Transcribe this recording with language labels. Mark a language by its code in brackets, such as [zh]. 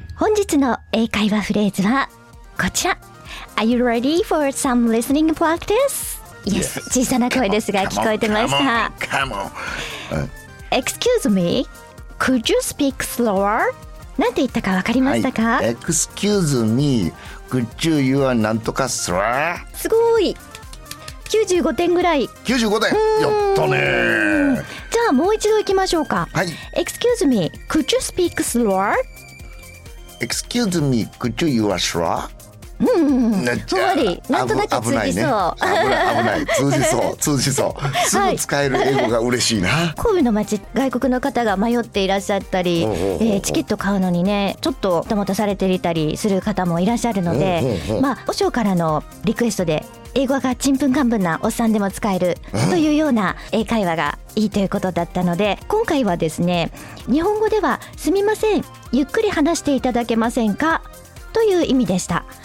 [ja] 本日の英会話フレーズはこちら。 [en] Are you ready for some listening practice? Yes, yes. [ja] 小さな声ですが聞こえてました。 [en] come on. Excuse me, could you speak slower? [ja] なんて言ったか分かりましたか、 [en] はい、Excuse me, could you you are [ja] なんとか [en] slower? [ja] すごい95点ぐらい。 95点、やったね。じゃあもう一度いきましょうか、はい、 [en] Excuse me, could you speak slower? Excuse me, could you you are slower? [ja] うん、ふわりなんとなく通じそう。危ない通じそう通じそう、すぐ使える英語が嬉しいな、はい、神戸の街、外国の方が迷っていらっしゃったり、チケット買うのにねちょっとともとされていたりする方もいらっしゃるので、まあ和尚からのリクエストで英語がちんぷんかんぷんなおっさんでも使えるというような英会話がいいということだったので、今回はですね、日本語ではすみませんゆっくり話していただけませんかという意味でした。